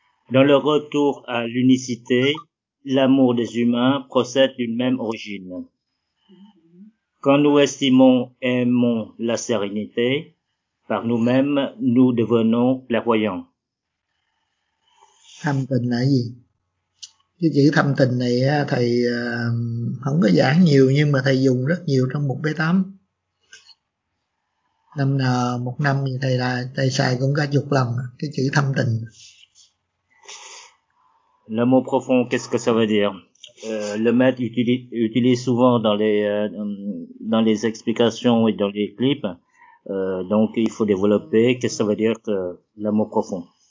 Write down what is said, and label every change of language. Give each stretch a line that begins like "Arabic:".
French: Dans le retour à l'unicité, l'amour des humains procède d'une même origine. Quand nous estimons et aimons la sérénité, par nous-mêmes, nous devenons clairvoyants.
Vietnamese: Thâm tình là gì? Cái chữ thâm tình này thầy không có giảng nhiều nhưng mà thầy dùng rất nhiều trong mục B8. Năm nào một năm thì thầy xài cũng cả chục lần cái chữ thâm tình.
French: Le mot profond, qu'est-ce que ça veut dire? Le maître utilise souvent dans les explications et dans les clips. Donc il faut développer qu'est-ce que ça veut dire que le mot profond.